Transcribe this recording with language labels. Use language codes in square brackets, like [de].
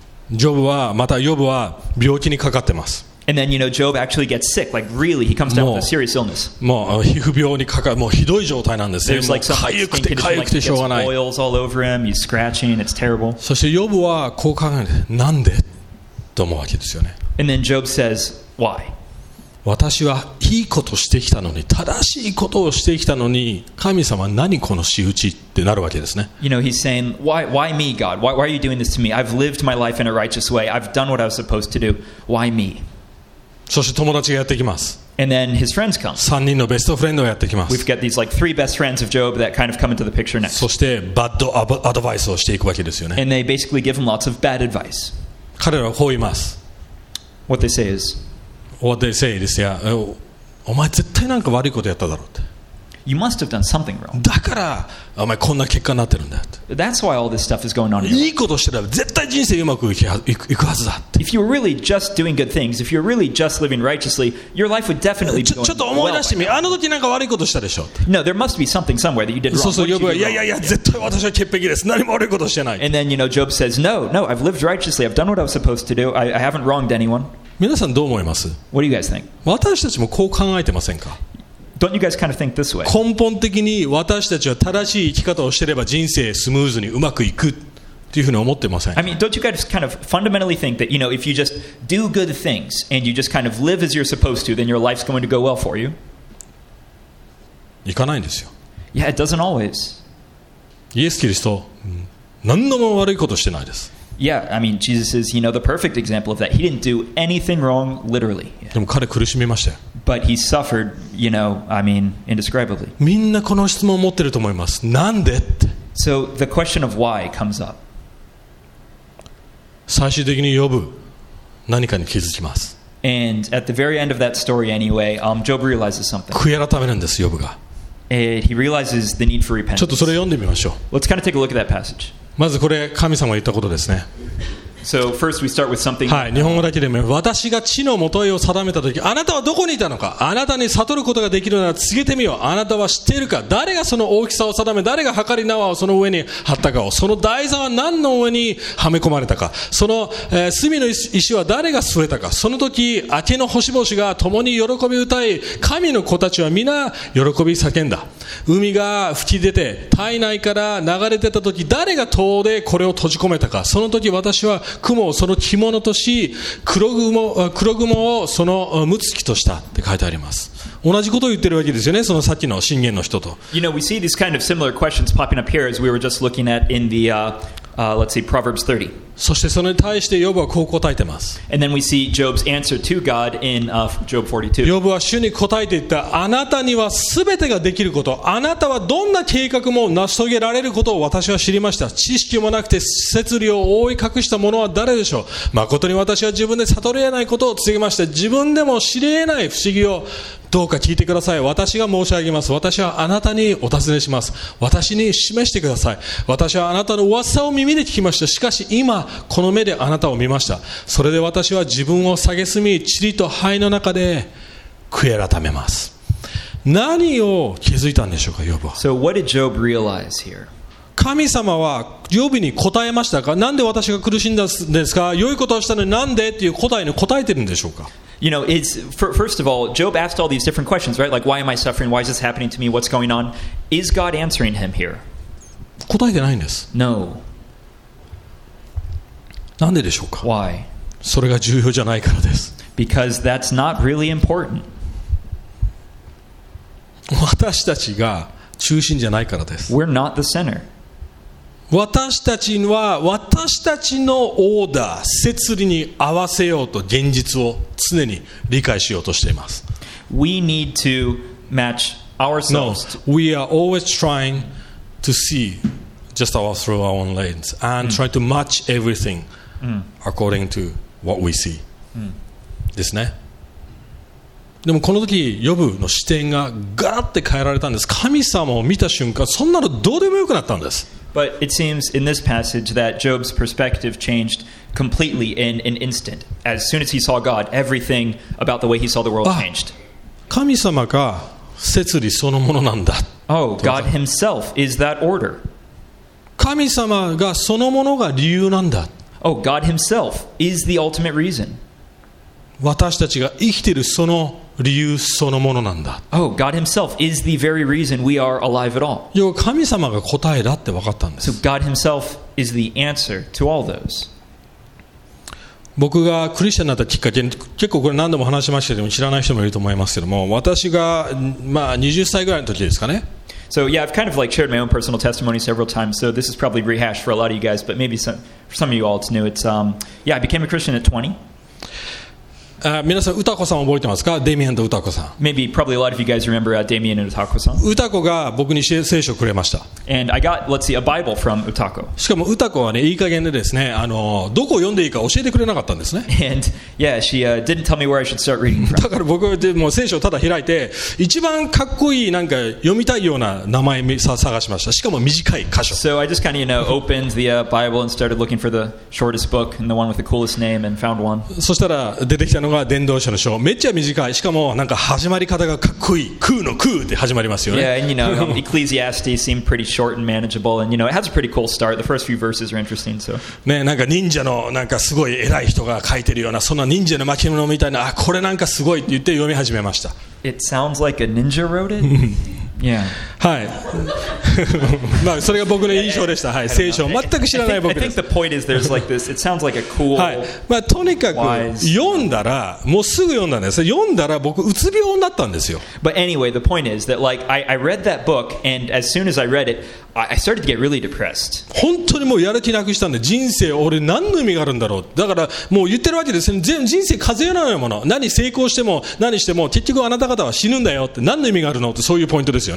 [ja] ジョブは、またヨブは病気にかかってます。 [en] And then, you know, Job actually gets sick. Like, really, he comes down with a serious illness. There's like some skin condition, like he gets boils all over him. He's scratching. It's terrible. [ja] そしてヨブはこう考えて、なんで？と思うわけですよね。 [en] And then Job says, why? [ja] 私はいいことしてきたのに、正しいことをしてきたのに、神様何この仕打ちってなるわけですね。 [en] You know, he's saying, why me, God? Why are you doing this to me? I've lived my life in a righteous way. I've done what I was supposed to do. Why me? [ja] そして友達がやってきます。 [en] And then his friends come. [ja] 3人のベストフレンドがやってきます。 [en] We've got these like three best friends of Job that kind of come into the picture next. [ja] そしてバッドアドバイスをしていくわけですよね。 [en] And they basically give him lots of bad advice. [ja] 彼らはこう言います。 [en] What they say is, What they say is, yeah, [ja] お前絶対なんか悪いことやっただろうって。 [en] You must have done something wrong. [ja] だからお前こんな結果になってるんだって。 [en] That's why all this stuff is going on. [ja] いいことしてたら絶対人生うまくいくはずだって。 [en] If you were really just doing good things, if you were really just living righteously, your life would definitely be going well. [ja] ちょっと思い出してみ、あの時なんか悪いことしたでしょって。 [en] No, there must be something somewhere that you did wrong. [ja] そうそう、ヨブは、いやいやいや、絶対私は潔癖です。何も悪いことしてない。 [en] And then, you know, Job says, No, I've lived righteously. I've done what I was supposed to do. I haven't wronged anyone. [ja] 皆さんどう思います？ [en] What do you guys think? [ja] 私たちもこう考えてませんか？ [en] Don't you guys kind of think this way? [ja] 根本的に私たちは正しい生き方をしていれば人生スムーズにうまくいくというふうに思ってません。 [en] I mean, don't you guys kind of fundamentally think that, you know, if you just do good things and you just kind of live as you're supposed to, then your life's going to go well for you? [ja] いかないんですよ。 [en] Yeah, it doesn't always. [ja] イエス・キリスト、何度も悪いことしてないです。 [en] Yeah, I mean, Jesus is, you know, the perfect example of that. He didn't do anything wrong, literally. [ja] でも彼苦しみましたよ。 [en] But he suffered, you know, I mean, indescribably. [ja] みんなこの質問を持ってると思います。なんで？ [en] So the question of why comes up. [ja] 最終的にヨブ、何かに気づきます。 [en] And at the very end of that story anyway, Job realizes something. [ja] 悔い改めるんです、ヨブが。 [en] And he realizes the need for repentance. [ja] ちょっとそれ読んでみましょう。 [en] Let's kind of take a look at that passage. [ja] まずこれ、神様が言ったことですね。 [en] So first we start with something. [ja] はい、日本語だけでも、私が地のもとへを定めたとき、あなたはどこにいたのか。あなたに悟ることができるなら告げてみよう。あなたは知っているか。誰がその大きさを定め、誰が計り縄をその上に張ったかを。その台座は何の上にはめ込まれたか。その、隅の石は誰が据えたか。その時明けの星々が共に喜び歌い、神の子たちは皆喜び叫んだ。海が吹き出て体内から流れ出たとき、誰が塔でこれを閉じ込めたか。その時私は雲をその着物とし、黒雲をそのむつきとしたって書いてあります。同じことを言ってるわけですよね、そのさっきの箴言の人と。 [en] You know, we see these kind of similar questions popping up here as we were just looking at in the, let's see, Proverbs 30. [ja] そしてそれに対してヨブはこう答えてます。 [en] And then we see Job's answer to God in Job 42. [ja] ヨブは主に答えていった。あなたにはすべてができること、あなたはどんな計画も成し遂げられることを私は知りました。知識もなくて摂理を覆い隠した者は誰でしょう。まことに私は自分で悟り得ないことを告げました。自分でも知り得ない不思議をどうか聞いてください。私が申し上げます。私はあなたにお尋ねします。私に示してください。私はあなたの噂を耳で聞きました。しかし今この目であなたを見ました。それで私は自分を蔑み、塵と灰の中で悔い改めます。何を気づいたんでしょうか、ヨブは。 [en] So what did Job realize here? [ja] 神様はヨブに答えましたか。なんで私が苦しんだんですか。良いことをしたのになんでっていう答えに答えてるんでしょうか。 [en] You know, it's first of all, Job asked all these different questions, right? Like, why am I suffering? Why is this happening to me? What's going on? Is God answering him here? [ja] 答えてないんです。 [en] No. [ja] なんででしょうか。 [en] Why? [ja] それが重要じゃないからです。 [en] Because that's not really important. [ja] 私たちが中心じゃないからです。 [en] We're not the center. [ja] 私たちは私たちのオーダー、摂理に合わせようと現実を常に理解しようとしています。 [en] We need to match ourselves. No, we are always trying to see just all through our own lens and try to match everything according to what we see. [ja] ですね。でもこの時ヨブの視点がガラッて変えられたんです。神様を見た瞬間、そんなのどうでもよくなったんです。 [en] But it seems in this passage that Job's perspective changed completely in an instant. As soon as he saw God, everything about the way he saw the world changed. [ja] 神様が摂理そのものなんだ。 [en] Oh, God himself is that order. [ja] 神様がそのものが理由なんだ。 [en] Oh, God himself is the ultimate reason. [ja] 私たちが生きているその理由そのものなんだ。 [en] Oh, God himself is the very reason we are alive at all. [ja] 要は神様が答えだって分かったんです。 [en] So God himself is the answer to all those. [ja] 僕がクリスチャンになったきっかけ、結構これ何度も話しましたけども、知らない人もいると思いますけども、私が、まあ、20歳ぐらいの時ですかね。 [en] So yeah, I've kind of like shared my own personal testimony several times, so this is probably rehashed for a lot of you guys, but maybe some, for some of you all it's new. It's, yeah, I became a Christian at 20. [ja] 皆さん、歌子さん覚えてますか？デミアンと歌子さん。 [en] Maybe probably a lot of you guys remember Damien and Utako さん。 [ja] 歌子が僕に聖書をくれました。 [en] And I got, let's see, a Bible from Utako. [ja] しかも歌子はね、いい加減でですね、どこを読んでいいか教えてくれなかったんですね。 [en] And yeah, she didn't tell me where I should start reading from. [ja] だから僕はもう聖書をただ開いて、一番かっこいいなんか読みたいような名前さ探しました。しかも短い箇所。 [en] So I just kind of, you know, opened the Bible and started looking for the shortest book and the one with the coolest name and found one. [ja] そしたら出てきたのが伝道者の書、めっちゃ短い、しかもなんか始まり方がかっこいい、空の空で始まりますよね。 [en] Yeah, and you know, Ecclesiastes seemed pretty short and manageable, and you know, it has a pretty cool start. The first few verses are interesting, so. [ja] ね、なんか忍者のなんかすごい偉い人が書いてるような、そんな忍者の巻物みたいな、あ、これなんかすごいって言って読み始めました。 [en] It sounds like a ninja wrote it. Yeah. [ja] はい。まあそれが僕の印象でした。はい。聖書を全く知らない僕です。 [en] I think the point is there's like this. It sounds like a cool. [ja] はい。まあとにかく読んだらもうすぐ読んだんです。読んだら僕うつ病になったんですよ。 [en] But anyway, the point is that like I read that book and as soon as I read it, I started to get really depressed. [ja] 本当にもうやる気なくしたんで、人生俺何の意味があるんだろう。だからもう言ってるわけですね。全人生風邪のもの。何成功しても何しても結局あなた方は死ぬんだよって何の意味があるのってそういうポイントですよ。